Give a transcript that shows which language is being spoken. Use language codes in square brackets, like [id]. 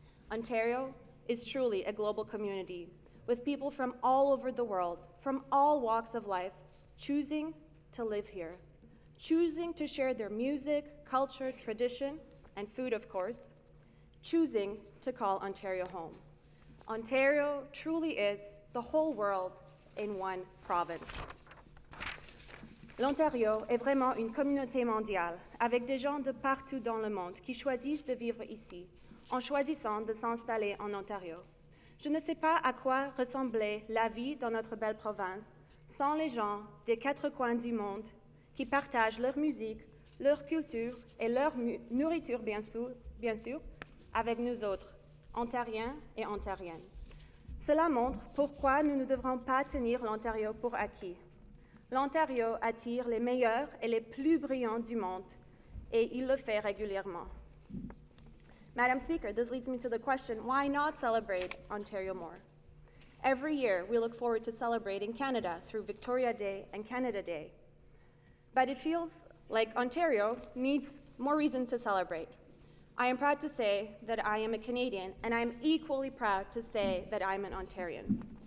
[en] Ontario is truly a global community, with people from all over the world, from all walks of life, choosing to live here, choosing to share their music, culture, tradition, and food, of course, choosing to call Ontario home. Ontario truly is the whole world in one province. [fr] L'Ontario est vraiment une communauté mondiale, avec des gens de partout dans le monde qui choisissent de vivre ici, en choisissant de s'installer en Ontario. Je ne sais pas à quoi ressemblait la vie dans notre belle province sans les gens des quatre coins du monde qui partagent leur musique, leur culture et leur nourriture, bien sûr, avec nous autres, Ontariens et Ontariennes. Cela montre pourquoi nous ne devrons pas tenir l'Ontario pour acquis. L'Ontario attire les meilleurs et les plus brillants du monde, et il le fait régulièrement. [en] Madam Speaker, this leads me to the question, why not celebrate Ontario more? Every year, we look forward to celebrating Canada through Victoria Day and Canada Day. But it feels like Ontario needs more reason to celebrate. I am proud to say that I am a Canadian, and I am equally proud to say that I am an Ontarian.